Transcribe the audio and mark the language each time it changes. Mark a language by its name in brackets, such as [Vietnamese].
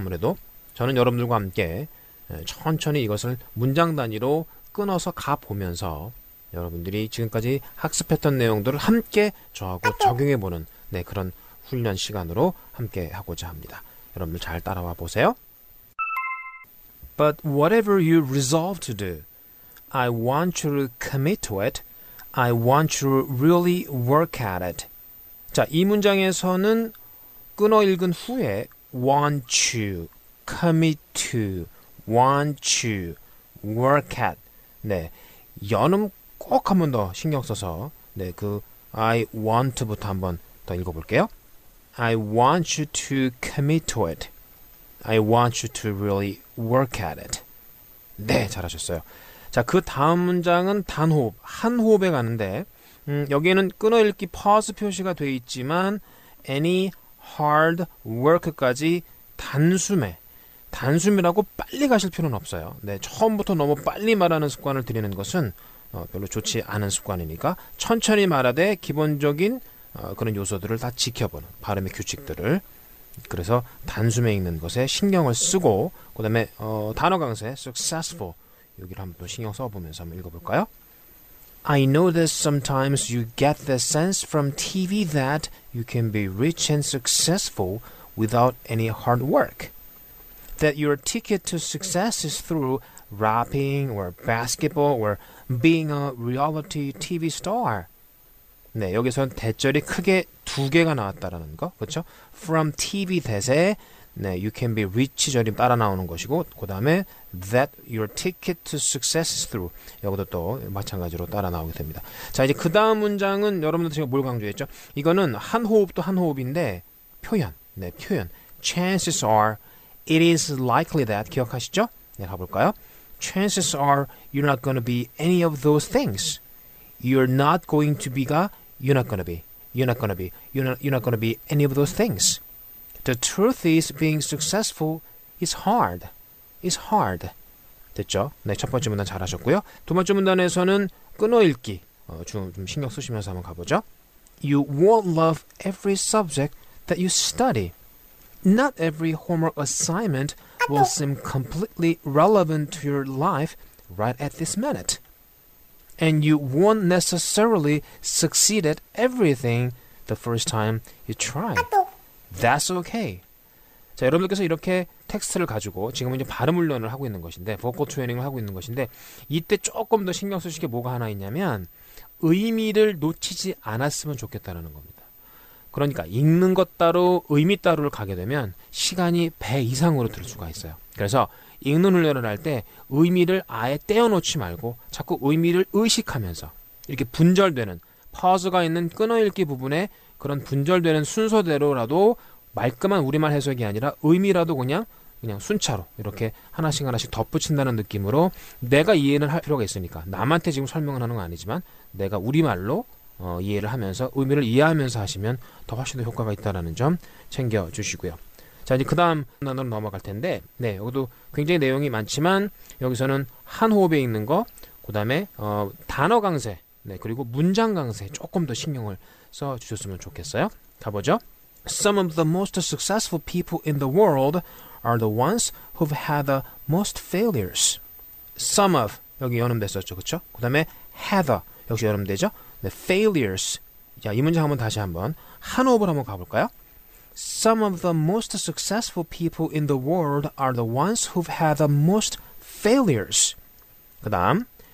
[Korean] 아무래도 저는 여러분들과 함께 천천히 이것을 문장 단위로 끊어서 가보면서 여러분들이 지금까지 학습했던 내용들을 함께 저하고 적용해보는 네, 그런 훈련 시간으로 함께 하고자 합니다. 여러분들 잘 따라와 보세요. [English] But whatever you resolve to do, I want you to commit to it. I want you to really work at it. [Korean] 자, 이 문장에서는 끊어 읽은 후에 [English] want you, commit to, want you, work at. [Korean] 네, 연음 꼭 한 번 더 신경 써서 네, 그 [English] I want [Korean] 부터 한 번 더 읽어볼게요. [English] I want you to commit to it. I want you to really work at it. [Korean] 네, 잘하셨어요. 자, 그 다음 문장은 단호흡, 한 호흡에 가는데 여기에는 끊어 읽기 pause 표시가 되어 있지만 [English] any hard work [Korean] 까지 단숨에 단숨이라고 빨리 가실 필요는 없어요. 네, 처음부터 너무 빨리 말하는 습관을 들이는 것은 별로 좋지 않은 습관이니까 천천히 말하되 기본적인 그런 요소들을 다 지켜보는 발음의 규칙들을 그래서 단숨에 읽는 것에 신경을 쓰고 그 다음에 단어 강세 successful 여기를 한번 또 신경 써보면서 한번 읽어볼까요? [English] I know that sometimes you get the sense from TV that you can be rich and successful without any hard work. That your ticket to success is through rapping or basketball or being a reality TV star. [Korean] 네, 여기서는 대절이 크게 두 개가 나왔다라는 거, 그렇죠? [English] From TV [Korean] 대세, 네, [English] you can be rich [Korean] 절이 따라 나오는 것이고, 그 다음에 [English] that your ticket to success is through. [Korean] 여기도 또 마찬가지로 따라 나오게 됩니다. 자, 이제 그 다음 문장은 여러분들 제가 뭘 강조했죠? 이거는 한 호흡도 한 호흡인데 표현, 네, 표현. [English] Chances are, it is likely that, [Korean] 기억하시죠? 네, 가볼까요? [English] Chances are, you're not going to be any of those things. You're not going to be가 you're not going to be. You're not going to be. You're not going to be any of those things. The truth is being successful is hard. It's hard. [Korean] 됐죠? 네, 첫 번째 문단 잘하셨고요. 두 번째 문단에서는 끊어 읽기. 좀 신경 쓰시면서 한번 가보죠. [English] You won't love every subject that you study. Not every homework assignment will seem completely relevant to your life right at this minute. And you won't necessarily succeed at everything the first time you try. That's okay. [Korean] 자, 여러분들께서 이렇게 텍스트를 가지고 지금은 이제 발음 훈련을 하고 있는 것인데 보컬 트레이닝을 하고 있는 것인데 이때 조금 더 신경 쓰실 게 뭐가 하나 있냐면 의미를 놓치지 않았으면 좋겠다는 겁니다. 그러니까 읽는 것 따로 의미 따로를 가게 되면 시간이 배 이상으로 들 수가 있어요. 그래서 읽는 훈련을 할 때 의미를 아예 떼어놓지 말고 자꾸 의미를 의식하면서 이렇게 분절되는 파즈가 있는 끊어읽기 부분에 그런 분절되는 순서대로라도 말끔한 우리말 해석이 아니라 의미라도 그냥 순차로 이렇게 하나씩 하나씩 덧붙인다는 느낌으로 내가 이해는 할 필요가 있으니까 남한테 지금 설명을 하는 건 아니지만 내가 우리말로 이해를 하면서 의미를 이해하면서 하시면 더 훨씬 더 효과가 있다는 점 챙겨주시고요. 자, 이제 그 다음 단어로 넘어갈 텐데 네, 여기도 굉장히 내용이 많지만 여기서는 한 호흡에 읽는 거 그 다음에 단어 강세 네, 그리고 문장 강세 조금 더 신경을 써주셨으면 좋겠어요. 가보죠. [English] Some of the most successful people in the world are the ones who've had the most failures. Some of, [Korean] 여기 연음 됐었죠, 그쵸? 그 다음에 [English] had the, [Korean] 역시 연음 되죠? 네, failures. 자, 이 문장 한번 다시 한번 한 호흡을 한번 가볼까요? [English] Some of the most successful people in the world are the ones who've had the most failures. [Korean] 그 다음,